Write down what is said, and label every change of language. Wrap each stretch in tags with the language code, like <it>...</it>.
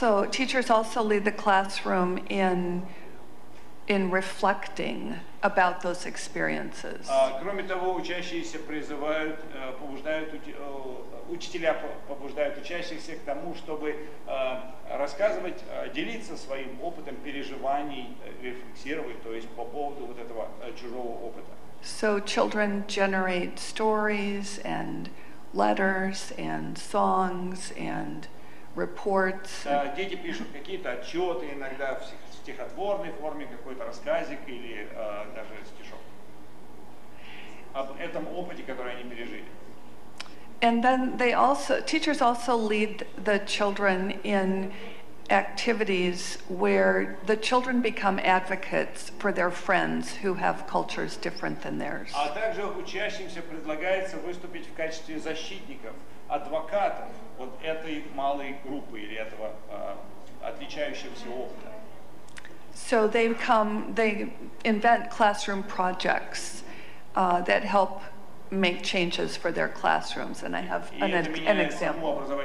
<en>Teachers also lead the classroom in reflecting about those experiences.</en> <ru>Кроме того, учащиеся призывают, побуждают учителя побуждают учащихся к тому, чтобы рассказывать, делиться своим опытом переживаний, рефлексировать, то есть по поводу вот этого чужого опыта.</ru> <en>So children generate stories and letters and songs and reports.</en> <ru>Дети пишут какие-то отчеты, иногда в стихотворной форме, какой-то рассказик или даже стишок об этом опыте, который они пережили.</ru> <en>And then they also, teachers also lead the children in activities where the children become advocates for their friends who have cultures different than theirs.</en> <ru>А также учащимся предлагается выступить в качестве защитников, адвокатов вот этой малой группы или этого отличающегося опыта.</ru> <en>So they come, they invent classroom projects that help make changes for their classrooms, and I have an example.</en>